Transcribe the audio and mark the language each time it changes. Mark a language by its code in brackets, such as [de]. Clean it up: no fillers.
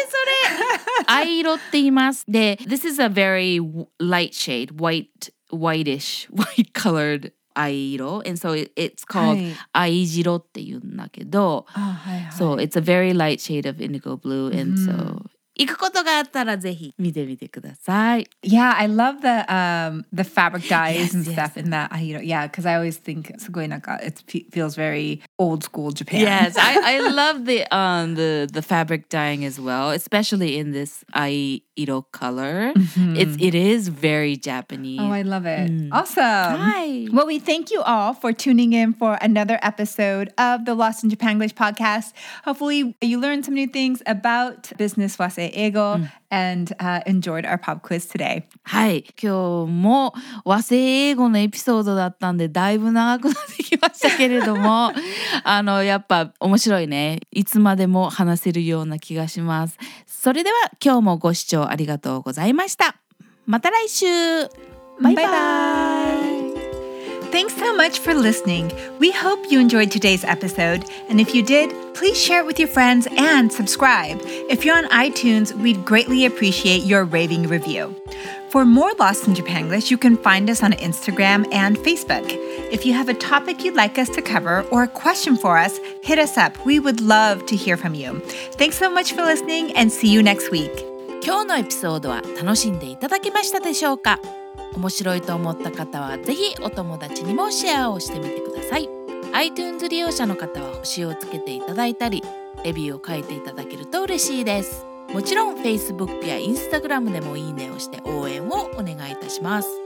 [ja] それそれそれ。Ai 色って言います。で、 [en] this is a very light shade, whitish, white colored ai 色。 And so it's called ai 色 [ja] って言うんだけど。あ、はいはい。 [en] So it's a very light shade of indigo blue. And so...、Mm. [ja] 行くことがあったらぜひ見てみてください。 [en] Yeah, I love the fabric dyes yes, and stuff yes. in that. I, you know, yeah, because I always think [ja] すごいなんか [en] it feels very old school Japan. Yes, I love the fabric dyeing as well, especially in this Aiiro color. Mm-hmm. It is very Japanese. Oh, I love it. Mm. Awesome. Hi. Well, we thank you all for tuning in for another episode of the Lost in Japanglish podcast. Hopefully, you learned some new things about business lessons. Ego and enjoyed our pop quiz today. [ja] はい、今日も和製英語のエピソードだったんでだいぶ長くなってきましたけれどもやっぱ面白いね。いつまでも話せるような気がします。それでは今日もご視聴ありがとうございました。また来週。バイバイ。バイバイ。 [en] Thanks so much for listening. We hope you enjoyed today's episode. And if you did, please share it with your friends and subscribe. If you're on iTunes, we'd greatly appreciate your raving review. For more Lost in Japanglish, you can find us on Instagram and Facebook. If you have a topic you'd like us to cover or a question for us, hit us up. We would love to hear from you. Thanks so much for listening and see you next week. [ja] 今日のエピソードは楽しんでいただけましたでしょうか?面白いと思った方はぜひお友達にもシェアをしてみてください。 iTunes 利用者の方は星をつけていただいたりレビューを書いていただけると嬉しいです。もちろん Facebook や Instagram でもいいねをして応援をお願いいたします。